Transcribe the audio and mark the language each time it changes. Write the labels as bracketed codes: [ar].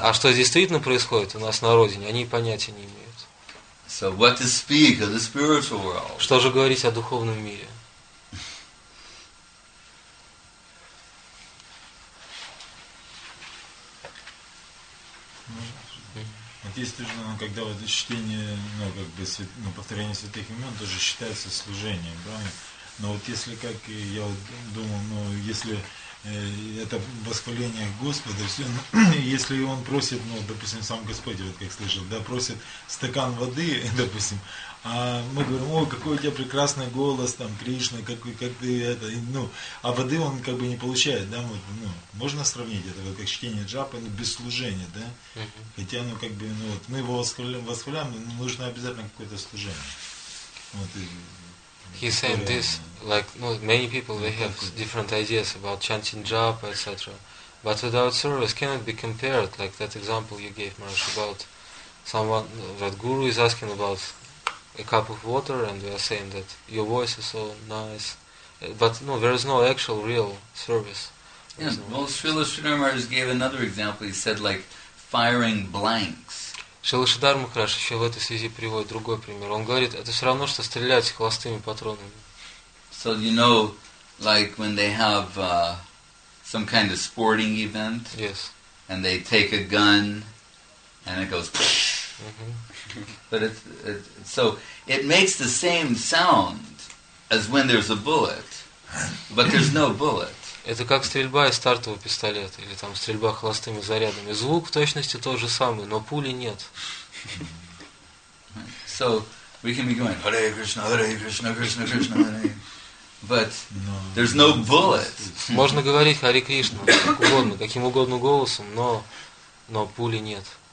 [ru] А что действительно происходит у нас на родине, они понятия не имеют. [en] So what to speak of the spiritual world? [ru] Что же говорить о духовном мире? Вот есть же, когда вот чтение, ну как бы повторение святых имен тоже считается служением, правильно? Но вот если как я думал, ну если это восхваление Господа, все, если он просит, ну, допустим, сам Господь, вот как слышал, да, просит стакан воды, допустим, а мы говорим: о, какой у тебя прекрасный голос, там, Кришна, как ты это, ну, а воды он как бы не получает, да, вот, ну, можно сравнить это, как чтение джапы, ну, без служения, да, хотя, ну, как бы, ну, вот, мы его восхваляем, но нужно обязательно какое-то служение, вот, и... [en] He's saying this, like, you know, many people, they have different ideas about chanting japa, etc. But without service cannot be compared, like that example you gave, Maharaj, about someone, that Guru is asking about a cup of water, and we are saying that your voice is so nice. But, no, there is no actual real service. Yes, well, Srila Sridhar Maharaj gave another example. He said, like, firing blanks. [ru] Шрила Шридхар Махарадж еще в этой связи приводит другой пример. Он говорит, это все равно, что стрелять холостыми патронами. [en] So you know, like when they have some kind of sporting event, yes, and they take a gun and it goes, but it's so it makes the same sound as when there's a bullet, but there's no bullet. [ru] Это как стрельба из стартового пистолета или там стрельба холостыми зарядами. Звук в точности тот же самый, но пули нет. [en] So we can be going Hare Krishna, Hare Krishna, Krishna Krishna, Hare. But there's no bullet. [ru] Можно говорить Hare Krishna как угодно, каким угодно голосом, но пули нет.